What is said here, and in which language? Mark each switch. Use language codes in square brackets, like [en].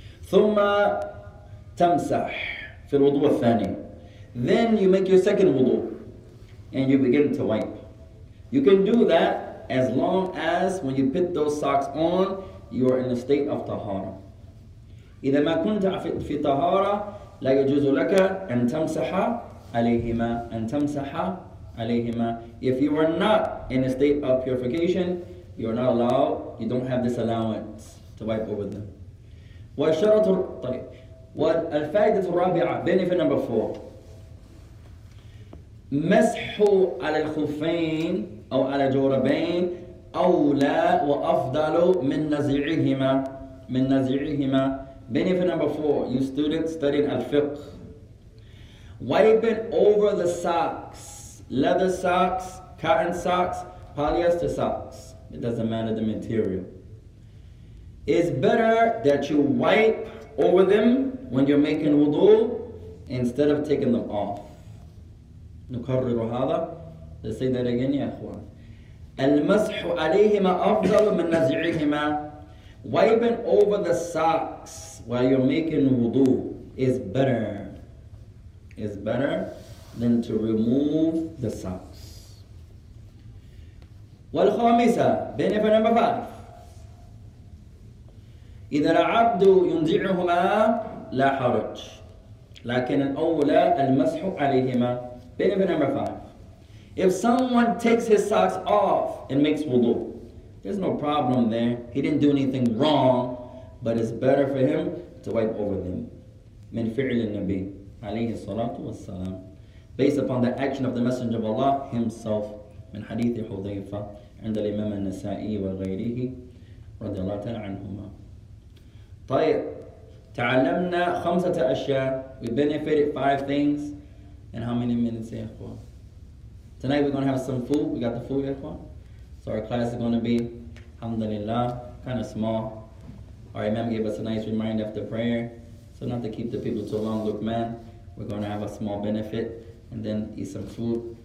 [ar] ثُمَّ تَمْسَحْ فِي الْوُضُوءِ الثَّانِي. [en] Then you make your second wudu and you begin to wipe. You can do that as long as when you put those socks on, you are in a state of tahara. [ar] إذا ما كنت في طهارة لا يجوز لك أن تمسح عليهما أن تمسح عليهما. [en] If you are not in a state of purification, you are not allowed. You don't have this allowance to wipe over them. [ar] والشرط طيب. والفائدة الرابعة [en] benefit number four. [ar] مسح على الخفين أو على الجوربين أولى وأفضل من نزعهما من نزعهما. [en] Benefit number four, you students studying al-fiqh. Wiping over the socks, leather socks, cotton socks, polyester socks, it doesn't matter the material. It's better that you wipe over them when you're making wudu instead of taking them off. [ar] نكرر هذا. [en] Let's say that again, [ar] يا أخوان. المسح عليهما أفضل من نزعهما. [en] Wiping over the socks while you're making wudu is better than to remove the socks. والخامسة benefit number five. [ar] إذا العبد ينزعهما لا حرج. لكن الأولى المسح عليهما. [en] Benefit number five. If someone takes his socks off and makes wudu, there's no problem there. He didn't do anything wrong, but it's better for him to wipe over them. [ar] من فعل النبي عليه الصلاة والسلام. [en] Based upon the action of the Messenger of Allah himself. [ar] من حديث حذيفة عند الإمام النسائي وغيره رضي الله تعالى عنهما. طيب تعلمنا خمسة أشياء. [en] We benefited five things. And how many minutes, [ar] يا أخوان? [en] Tonight we're going to have some food. We got the food, [ar] يا أخوان? [en] So our class is going to be, alhamdulillah, kind of small. Our imam gave us a nice reminder after prayer. So not to keep the people too long, look man, we're going to have a small benefit and then eat some food.